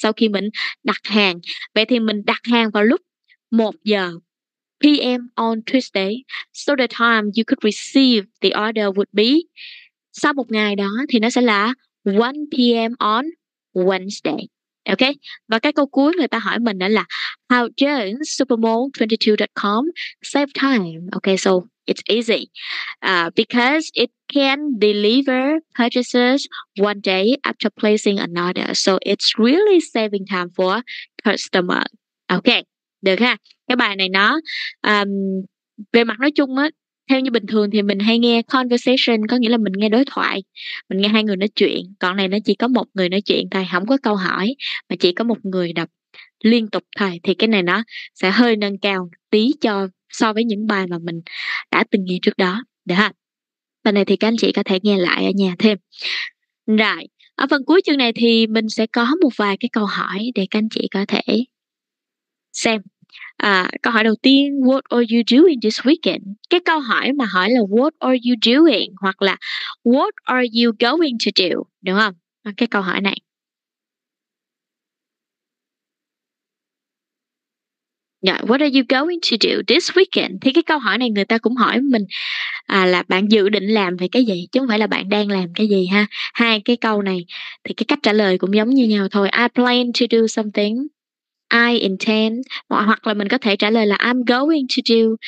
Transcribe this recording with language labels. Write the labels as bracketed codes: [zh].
[vi] Sau khi mình đặt hàng. Vậy thì mình đặt hàng vào lúc 1 giờ [en] PM on Tuesday. So the time you could receive the order would be [vi] sau một ngày đó thì nó sẽ là [en] 1 PM on Wednesday. Ok? [vi] Và cái câu cuối người ta hỏi mình đó là [en] how does supermall22.com save time? Ok, so it's easy because it can deliver purchases one day after placing another. So it's really saving time for customer. [vi] Ok, được ha. Cái bài này nó về mặt nói chung á, theo như bình thường thì mình hay nghe conversation, có nghĩa là mình nghe đối thoại, mình nghe hai người nói chuyện. Còn này nó chỉ có một người nói chuyện thôi, không có câu hỏi, mà chỉ có một người đọc liên tục thôi. Thì cái này nó sẽ hơi nâng cao tí cho so với những bài mà mình đã từng nghe trước đó. Được ha? Phần này thì các anh chị có thể nghe lại ở nhà thêm. Rồi, ở phần cuối chương này thì mình sẽ có một vài cái câu hỏi để các anh chị có thể xem. Câu hỏi đầu tiên, [en] what are you doing this weekend? [vi] Cái câu hỏi mà hỏi là [en] what are you doing? [vi] Hoặc là [en] what are you going to do? [vi] Đúng không? Cái câu hỏi này. [en] Yeah, what are you going to do this weekend? [vi] Thì cái câu hỏi này người ta cũng hỏi mình là bạn dự định làm về cái gì, chứ không phải là bạn đang làm cái gì ha. Hai cái câu này thì cái cách trả lời cũng giống như nhau thôi. [en] I plan to do something. I intend. [vi] Hoặc là mình có thể trả lời là [en] I'm going to do.